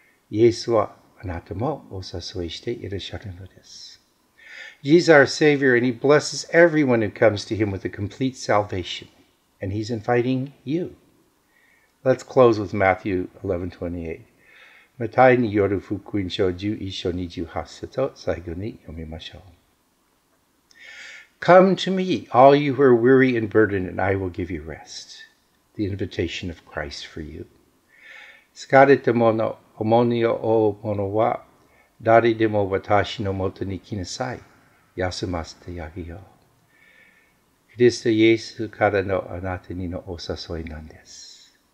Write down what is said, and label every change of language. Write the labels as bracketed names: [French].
[Japanese] イエスはあなたもお誘いしていらっしゃるのです。 [English] Jesus is our Savior and He blesses everyone who comes to Him with a complete salvation. And He's inviting you. Let's close with Matthew 11:28. [Japanese] マタイによる福音書11章28節を最後に読みましょう。 [English] Come to me, all you who are weary and burdened, and I will give you rest. The invitation of Christ for you. [Japanese] 疲れた者、重荷を負う者は、誰でも私のもとに来なさい。休ませてあげよう。キリストイエスからのあなたにのお誘いなんです。